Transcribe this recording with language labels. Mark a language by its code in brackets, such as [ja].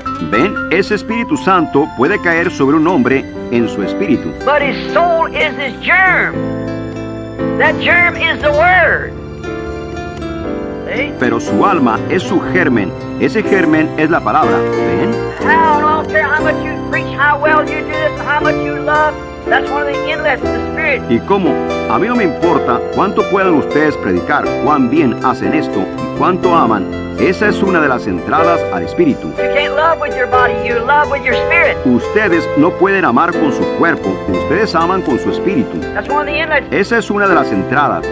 [es] Ven, ese Espíritu Santo puede caer sobre un hombre en su espíritu. [en] But his soul is his germ. That germ is the word. [es] Pero su alma es su germen. Ese germen es la palabra. ¿Ven? [en] How long care how much you preach, how well you do this, how much you love. That's one of the inlets of the spirit. [es] ¿Y cómo? A mí no me importa cuánto puedan ustedes predicar, cuán bien hacen esto y cuánto aman. Esa es una de las entradas al espíritu. [en] You can't love with your body, you love with your spirit. [es] Ustedes no pueden amar con su cuerpo, ustedes aman con su espíritu. [en] That's one of the inlets. [es] Esa es una de las entradas.